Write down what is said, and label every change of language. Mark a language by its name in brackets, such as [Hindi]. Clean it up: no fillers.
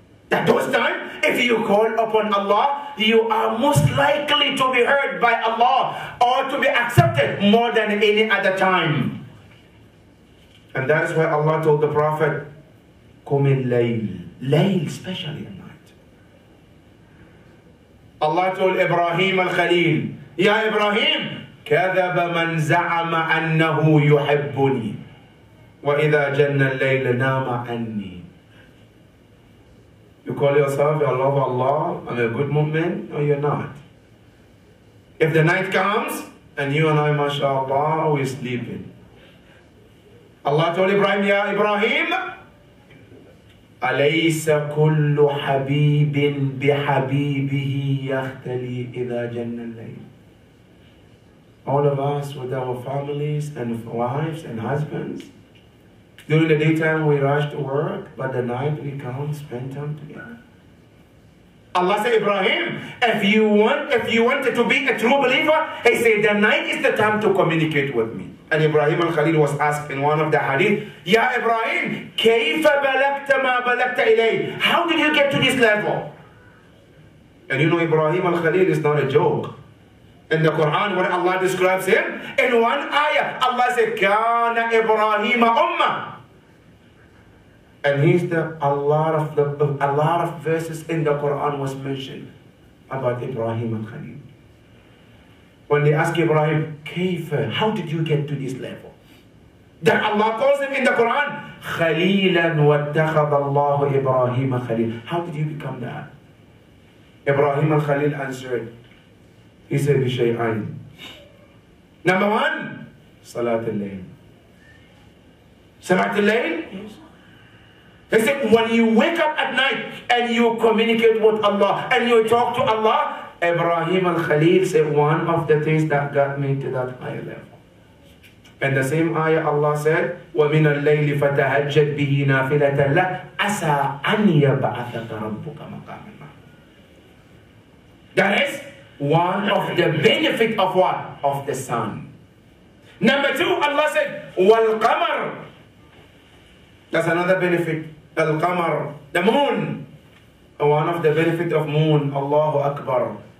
[English] That those times, if you call upon Allah, you are most likely to be heard by Allah or to be accepted more than any other time. And that is why Allah told the Prophet, [Arabic] "Qum al-layl." [English] Layl, especially at night. Allah told Ibrahim al-Khalil, [Arabic] "Ya Ibrahim, كذب من زعم أنه يحبني وإذا جن الليل نام أني." [English] You call yourself a lover of Allah and a good mu'min, or you're not? If the night comes and you and I, mashallah, we're sleeping. Allah told Ibrahim, [Arabic] "Ya Ibrahim, أَلَيْسَ كُلُّ حَبِيبٍ بِحَبِيبِهِ يَخْتَلِي إِذَا جَنَّ اللَّيْلِ." [English] All of us with our families and wives and husbands, during the daytime we rush to work, but the night we come spend time together. Allah said, "Ibrahim, if you wanted to be a true believer," He said, "the night is the time to communicate with me." And Ibrahim al-Khalil was asked in one of the hadith, [Arabic] "Ya Ibrahim, كَيْفَ بَلَغْتَ مَا بَلَغْتَ إِلَيْهِ?" [English] How did you get to this level? And you know, Ibrahim al-Khalil is not a joke. In the Quran, when Allah describes him, in one ayah, Allah said, [Arabic] "Kana Ibrahim Ummah." [English] And he's a lot of verses in the Quran was mentioned about Ibrahim al-Khalil. When they ask Ibrahim, "Kayfa, how did you get to this level?" Then Allah calls him in the Quran, [Arabic] "Khalilan wattakhadha Allah Ibrahim Khalil." [English] How did you become that? Ibrahim al-Khalil answered, he said, [Arabic] "Bishay'ain." [English] Number one, Salat al-Layl. Salat al-Layl? He said, when you wake up at night and you communicate with Allah and you talk to Allah, Ibrahim al-Khalil said, one of the things that got me to that higher level. And the same ayah Allah said, [Arabic] وَمِنَ اللَّيْلِ فَتَهَجَّدْ بِهِ نَافِلَةً لَهْ أَسَىٰ أَنْ يَبْعَثَكَ رَبُّكَ مَقَامًا مَحْمُودًا. [English] That is one of the benefits of what? Of the sun. Number two, Allah said, "Wal-Qamar." That's another benefit. Al-Qamar, the moon. One of the benefits of moon, Allahu Akbar.